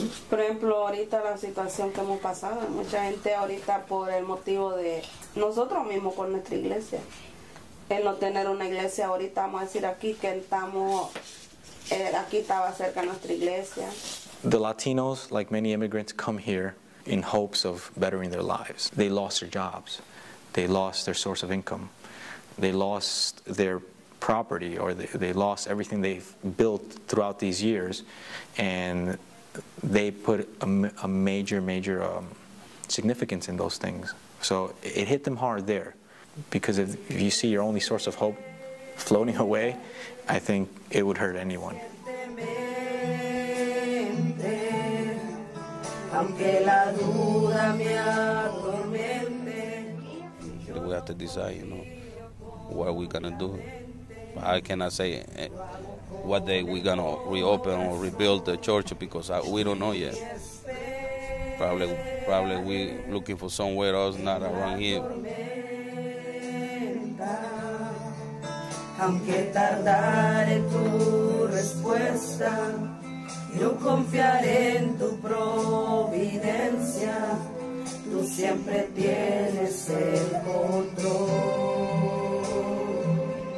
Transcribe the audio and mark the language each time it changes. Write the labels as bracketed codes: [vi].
[es] Por ejemplo, ahorita la situación que hemos pasado, mucha gente ahorita por el motivo de nosotros mismos, por nuestra iglesia, el no tener una iglesia, ahorita vamos a decir aquí que estamos, aquí estaba cerca nuestra iglesia. [en] The Latinos, like many immigrants, come here in hopes of bettering their lives. They lost their jobs. They lost their source of income. They lost their property, or they lost everything they've built throughout these years, and they put a major significance in those things. So it hit them hard there, because if you see your only source of hope floating away, I think it would hurt anyone. We have to decide, you know, what are we gonna do? I cannot say what day we're going to reopen or rebuild the church, because we don't know yet. Probably we looking for somewhere else, not around here. [es] Aunque tardare tu respuesta, yo confiaré en tu providencia. Tú siempre tienes el control.